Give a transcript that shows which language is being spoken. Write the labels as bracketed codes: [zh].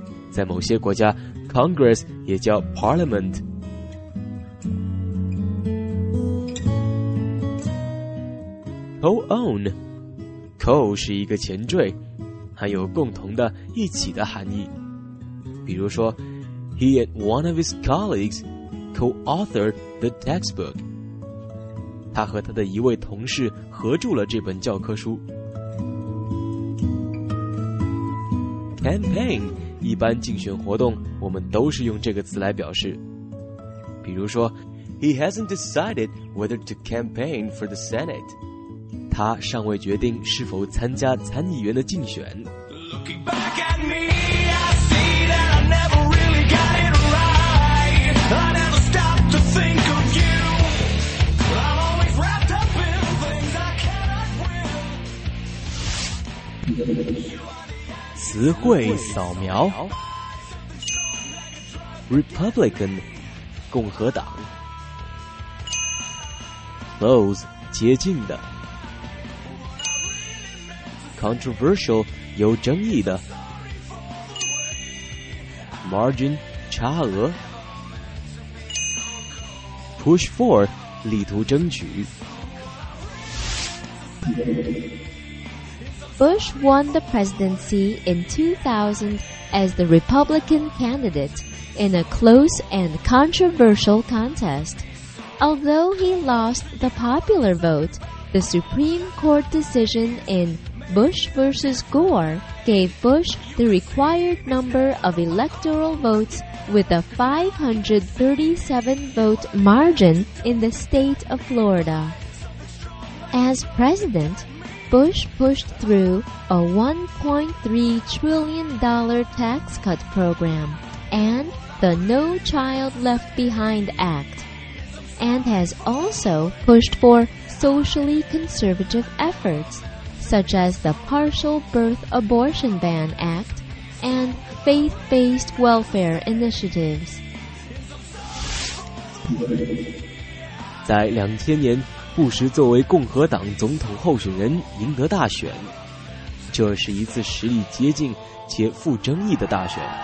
[zh] 在某些国家 Congress 也叫 Parliament。 Co-own， Co 是一个前缀，含有共同的、一起的含义。比如说 [en] He and one of his colleagues co-authored the textbook. [zh] 他和他的一位同事合著了这本教科书。 campaign 一般竞选活动我们都是用这个词来表示，比如说 [en] He hasn't decided whether to campaign for the Senate. [zh] 他尚未决定是否参加参议员的竞选。 [en] Looking back at me, I see that I never really got it right. I never stopped to think [zh] 词汇扫描。 Republican 共和党。 Close 接近的。 Controversial 有争议的。 Margin 差额。 Push for 力图争取。 [en] Bush won the presidency in 2000 as the Republican candidate in a close and controversial contest. Although he lost the popular vote, the Supreme Court decision in Bush versus Gore gave Bush the required number of electoral votes with a 537-vote margin in the state of Florida. As president,Bush pushed through a $1.3 trillion tax cut program and the No Child Left Behind Act, and has also pushed for socially conservative efforts, such as the Partial Birth Abortion Ban Act and faith-based welfare initiatives. [zh] 在2000年，布什作为共和党总统候选人赢得大选，这是一次实力接近且富争议的大选。